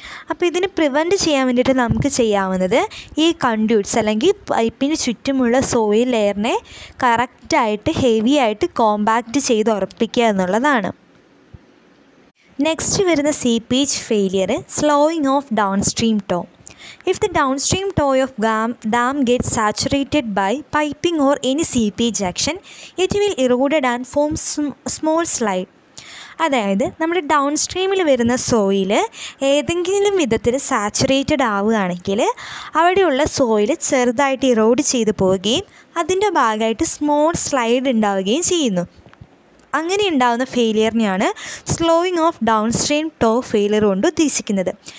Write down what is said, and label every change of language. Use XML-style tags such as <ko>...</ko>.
<ml>അപ്പോൾ ഇതിന് പ്രിവെൻറ്റ് ചെയ്യാൻ വേണ്ടിയിട്ട് നമുക്ക് ചെയ്യാവുന്നത് ഈ കണ്ടൂട്ട്സ് അല്ലെങ്കിൽ പൈപ്പിന് ചുറ്റുമുള്ള സോയിൽ ലെയറിനെ കറക്റ്റായിട്ട് ഹെവി ആയിട്ട് കോമ്പാക്റ്റ് ചെയ്ത് ഉറപ്പിക്കുക എന്നുള്ളതാണ്. നെക്സ്റ്റ് വരുന്ന seepage failure, slowing of down stream to.</ml> <en>If the downstream toe of dam gets saturated by piping or any seepage action, it will erode and form small slide.</en> <ml>അതായത് നമ്മുടെ down സ്ട്രീമിൽ വരുന്ന soil ഏതെങ്കിലും വിധത്തിൽ saturated ആവുകയാണെങ്കിൽ അവിടെയുള്ള soil ചെറുതായിട്ട് erode ചെയ്ത് പോവുകയും അതിൻ്റെ ഭാഗമായിട്ട് സ്മോൾ സ്ലൈഡ് ഉണ്ടാവുകയും ചെയ്യുന്നു. അങ്ങനെ ഉണ്ടാവുന്ന ഫെയിലിയറിനെയാണ് slowing of down stream to failure കൊണ്ട് ഉദ്ദേശിക്കുന്നത്.</ml>